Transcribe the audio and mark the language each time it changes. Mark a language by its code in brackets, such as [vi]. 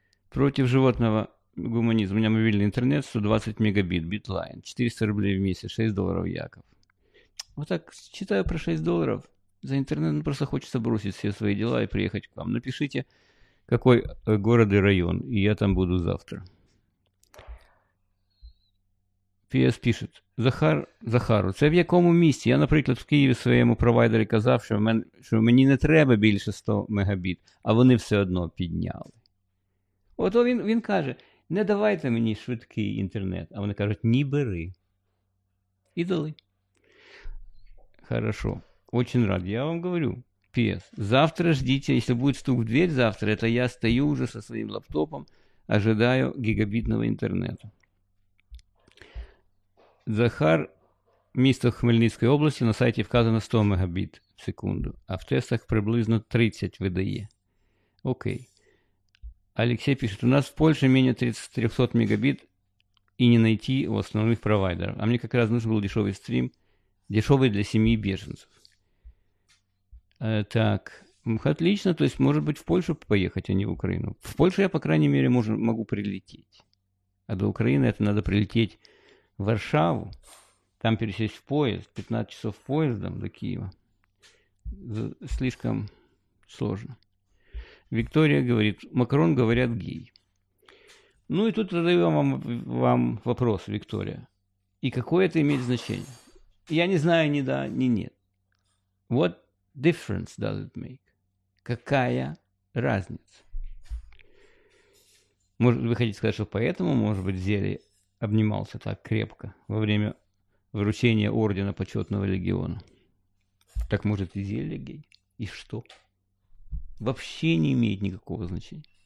[ru] Против животного гуманизма. У меня мобильный интернет 120 мегабит, битлайн. 400 рублей в месяц, $6 Яков. Вот так, читаю про $6. За интернет, ну, просто хочется бросить все свои дела и приехать к вам. Напишите, какой город и район, и я там буду завтра. PS пишет. [uk] Захар, Захару, це в якому місті? Я, наприклад, в Києві своєму провайдері казав, що мені не треба більше 100 мегабіт, а вони все одно підняли. От він каже, не давайте мені швидкий інтернет. А вони кажуть, ні, бери. І дали. [ru] Хорошо. Очень рад. Я вам говорю, PS, завтра ждите, если будет стук в дверь завтра, это я стою уже со своим лаптопом, ожидаю гигабитного интернета. [uk] Захар, місто Хмельницької області, на сайті вказано 100 мегабіт в секунду, а в тестах приблизно 30 видає. Окей. [ru] Алексей пишет, [uk] у нас в Польщі менее 300 мегабіт і не знайти у основних провайдерів. А мені якраз нужен був дешевий стрім, дешевий для сім'ї біженців. [ru] Так, отлично, то есть может быть в Польшу поехать, а не в Украину. В Польшу я, по крайней мере, могу прилететь. А до Украины это надо прилететь в Варшаву, там пересесть в поезд, 15 часов поездом до Киева. Слишком сложно. Виктория говорит, Макрон, говорят, гей. Ну и тут задаю вам вопрос, Виктория. И какое это имеет значение? Я не знаю ни да, ни нет. [en] Вот difference does it make? [ru] Какая разница? Может, вы хотите сказать, что поэтому, может быть, Зелий обнимался так крепко во время вручения ордена почетного легиона? Так может и Зелий гей? И что? Вообще не имеет никакого значения.